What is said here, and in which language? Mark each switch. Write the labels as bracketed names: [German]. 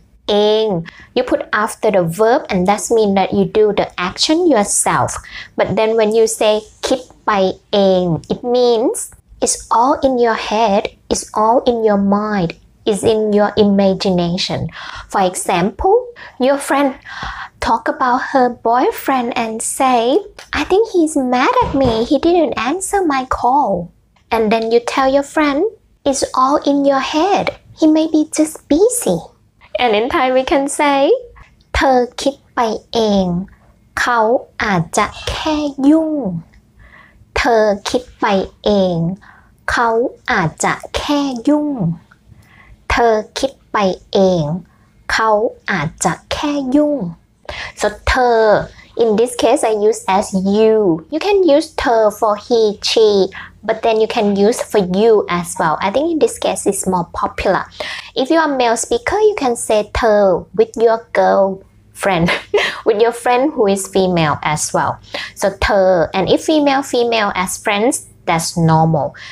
[English] เอง you put after the verb and that means that you do the action yourself but then when you say คิดไปเอง it means it's all in your head it's all in your mind it's in your imagination for example your friendTalk about her boyfriend and say, I think he's mad at me. He didn't answer my call. And then you tell your friend, it's all in your head. He may be just busy. [Thai] And in Thai we can say, เธอคิดไปเองเขาอาจจะแค่ยุ่งเธอคิดไปเองเขาอาจจะแค่ยุ่งเธอคิดไปเองเขาอาจจะแค่ยุ่ง [English] So เธอ in this case I use as you. You can use เธอ for he, she, but then you can use for you as well. I think in this case it's more popular. If you are male speaker, you can say เธอ with your girlfriend, with your friend who is female as well. So เธอ and if female, female as friends, that's normal.